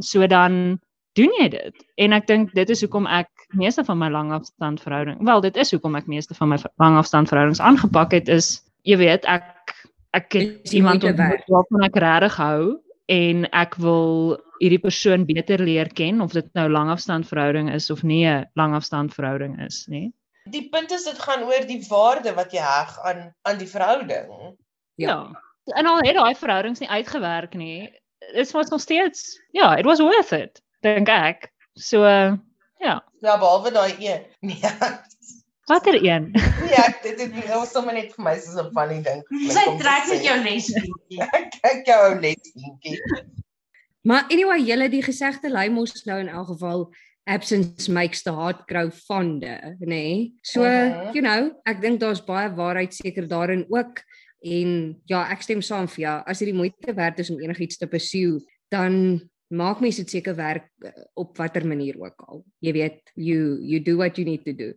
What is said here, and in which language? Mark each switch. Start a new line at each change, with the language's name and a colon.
Afrikaans: So dan doen jy dit. En ek dink dit is hoekom ek meeste van my langafstand verhouding, wel dit is hoekom ek meeste van my langafstand verhoudings aangepak het is, jy weet, ek het iemand ontmoet waarvan ek regtig hou en ek wil hierdie persoon beter leer ken of dit nou langafstand verhouding is of nie 'n langafstand verhouding is, nie. Die punt is dit gaan oor die waarde wat jy heg aan die verhouding. Ja. En al het daai verhoudings nie uitgewerk nie, is wat nog steeds, ja,
English: it was worth it,
Afrikaans: dink ek. So, ja. Ja, behalwe daai een. Nee. Wat een? Ja, dit was sommer net vir my soos 'n funny ding. Sy trek met jou lesbientjie. Ek kyk jou lesbientjie. Maar anyway, julle die gesegde lei mos nou in elk geval
English: absence makes the heart grow fonder,
Afrikaans: nê? Nee? So,
English: you know,
Afrikaans: ek dink daar's baie waarheid seker daarin ook. En ja, ek stem saam vir jou. As dit die moeite werd is om enigiets te pursue, dan maak mense dit seker werk op watter manier ook al. Jy weet,
English: you do what you need to do.